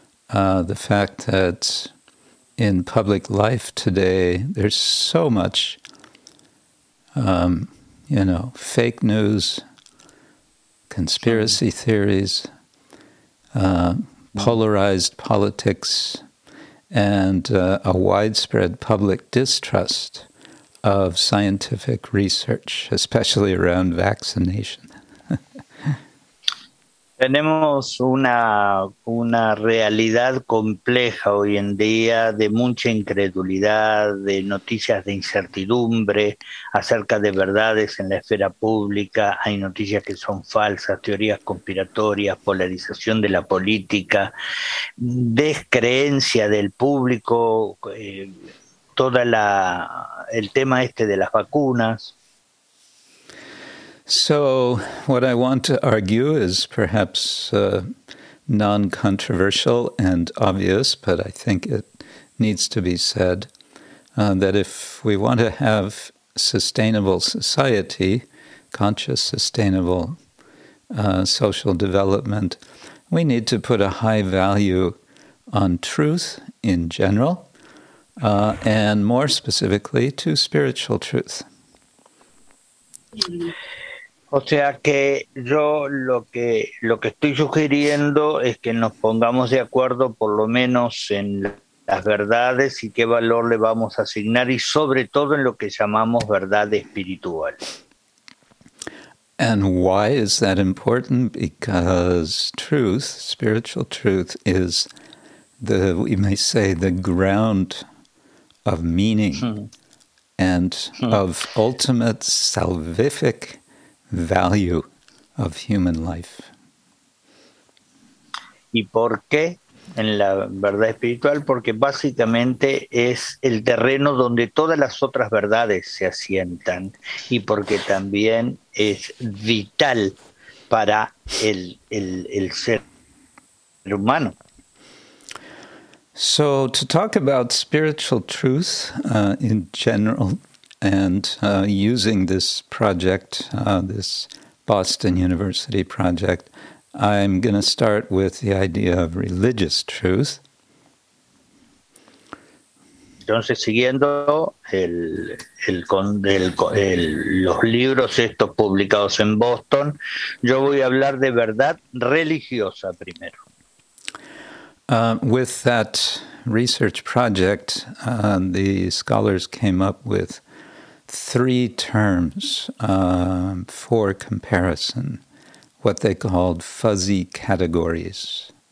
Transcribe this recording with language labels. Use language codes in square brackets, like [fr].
[en] The fact that in public life today, there's so much, fake news, conspiracy theories, polarized politics, and a widespread public distrust of scientific research, especially around vaccination. [es] Tenemos una realidad compleja hoy en día de mucha incredulidad, de noticias de incertidumbre acerca de verdades en la esfera pública. Hay noticias que son falsas, teorías conspiratorias, polarización de la política, descreencia del público, el tema este de las vacunas. [en] So what I want to argue is perhaps non-controversial and obvious, but I think it needs to be said, that if we want to have sustainable society, conscious, sustainable social development, we need to put a high value on truth in general, and more specifically to spiritual truth. [es] O sea que yo lo que estoy sugiriendo es que nos pongamos de acuerdo por lo menos en las verdades y qué valor le vamos a asignar y sobre todo en lo que llamamos verdad espiritual. [en] And why is that important? Because truth, spiritual truth, is the, we may say, the ground of meaning and of ultimate salvific value of human life. [es] ¿Y por qué en la verdad espiritual? Porque básicamente es el terreno donde todas las otras verdades se asientan y porque también es vital para el ser humano. [en] So to talk about spiritual truth in general, and using this project, this Boston University project, I'm going to start with the idea of religious truth. [es] Entonces, siguiendo los libros estos publicados en Boston, yo voy a hablar de verdad religiosa primero. [en] With that research project, the scholars came up with three terms for comparison, what they called fuzzy categories.